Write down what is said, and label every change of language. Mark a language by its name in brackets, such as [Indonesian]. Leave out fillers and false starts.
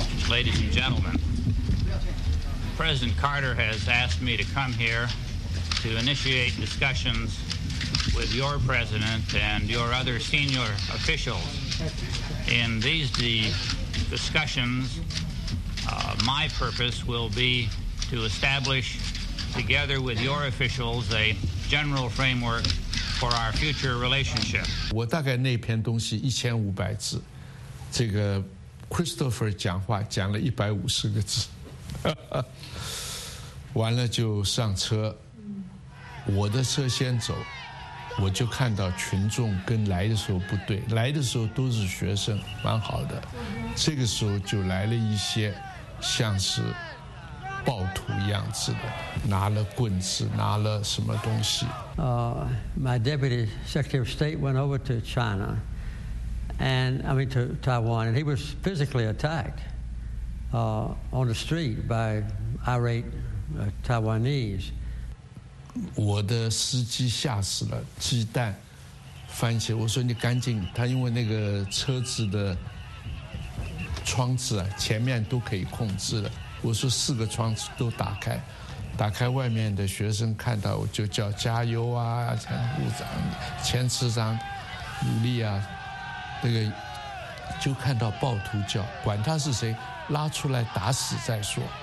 [English] Ladies and gentlemen, President Carter has asked me to come here to initiate discussions with your president and your other senior officials. In these discussions, my purpose will be to establish, together with your officials, a general framework for our future relationship. [Chinese] 我大概那篇东西1500字，这个 Christopher 讲话讲了150个字，完了就上车，我的车先走，我就看到群众跟来的时候不对，来的时候都是学生，蛮好的，这个时候就来了一些。像是暴徒一样子的，拿了棍子，拿了什么东西。 [English] My deputy secretary of state went over to China, and I mean to Taiwan, and he was physically attacked on the street by irate Taiwanese. [Chinese] 我的司机吓死了，鸡蛋番茄。我说你赶紧，他因为那个车子的。窗子啊，前面都可以控制的。我说四个窗子都打开，打开外面的学生看到我就叫加油啊，前部长、前次长，努力啊，那个就看到暴徒叫，管他是谁，拉出来打死再说。